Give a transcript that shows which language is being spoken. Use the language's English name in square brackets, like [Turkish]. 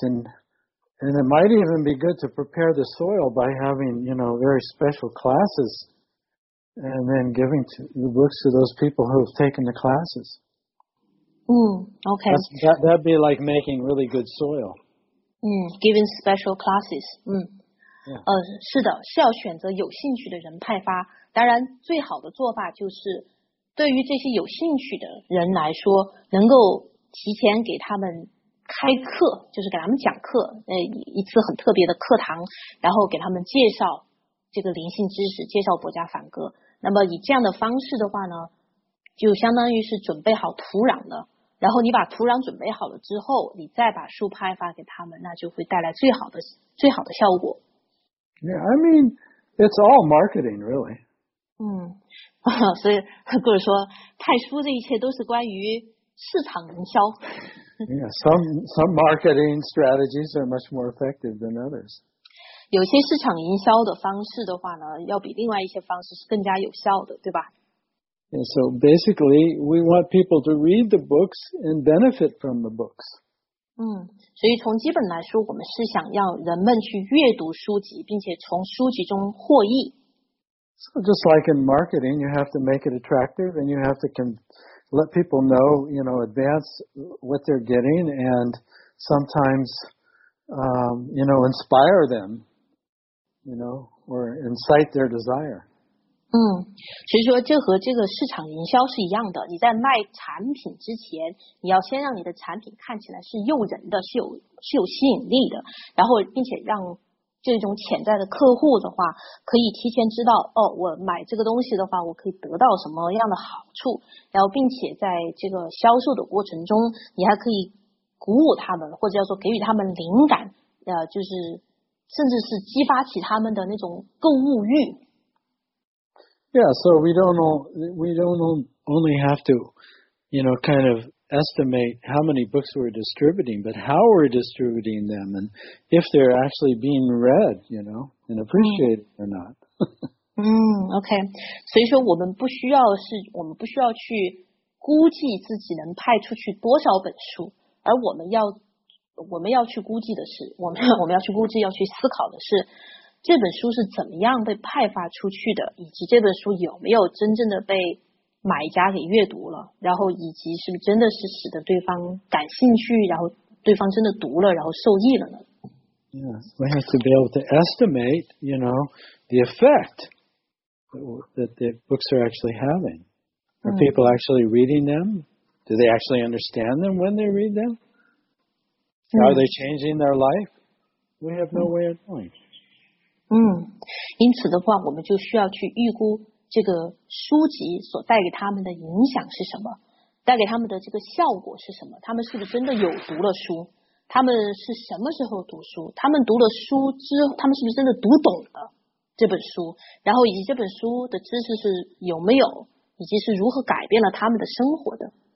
[English] And it might even be good to prepare the soil by having, you know, very special classes and then giving the books to those people who have taken the classes. Okay. That'd be like making really good soil. Giving special classes. Yeah. [Chinese] 是的，是要选择有兴趣的人派发。当然，最好的做法就是，对于这些有兴趣的人来说，能够提前给他们开课，就是给他们讲课，一次很特别的课堂，然后给他们介绍这个灵性知识，介绍薄伽梵歌。那么以这样的方式的话呢，就相当于是准备好土壤的，然后你把土壤准备好了之后，你再把书派发给他们，那就会带来最好的效果。 [English] Yeah, I mean, it's all marketing, really. [Chinese] 所以各位说，派书这一切都是关于市场营销。 [English] Yeah, some marketing strategies are much more effective than others. [Chinese] 有些市场营销的方式的话呢，要比另外一些方式是更加有效的，对吧？ [English] Yeah, so basically, we want people to read the books and benefit from the books. [Chinese] 所以从基本来说，我们是想要人们去阅读书籍，并且从书籍中获益。 [English] So just like in marketing, you have to make it attractive, and you have to let people know, you know, advance what they're getting, and sometimes, you know, inspire them, you know, or incite their desire. [Chinese] 所以说这和这个市场营销是一样的，你在卖产品之前，你要先让你的产品看起来是诱人的，是有吸引力的，然后并且让这种潜在的客户的话可以提前知道，哦，我买这个东西的话我可以得到什么样的好处，然后并且在这个销售的过程中你还可以鼓舞他们，或者叫做给予他们灵感，就是甚至是激发起他们的那种购物欲。 [English] Yeah, so we don't only have to, you know, kind of estimate how many books we're distributing, but how we're distributing them and if they're actually being read, you know, and appreciated or not. Okay. [Chinese] 所以说我们不需要去估计自己能派出去多少本书，而我们要去估计的是，我们要去估计，要去思考的是，这本书是怎么样被派发出去的，以及这本书有没有真正的被买家给阅读了，然后以及是不是真的是使得对方感兴趣，然后对方真的读了然后受益了呢？ [English] Yeah, we have to be able to estimate, you know, the effect that the books are actually having. Are people actually reading them? Do they actually understand them when they read them? Are they changing their life? We have no way of knowing. [Chinese] 因此的话我们就需要去预估这个书籍所带给他们的影响是什么，带给他们的这个效果是什么，他们是不是真的有读了书，他们是什么时候读书，他们读了书之后他们是不是真的读懂了这本书，然后以及这本书的知识是有没有，以及是如何改变了他们的生活的。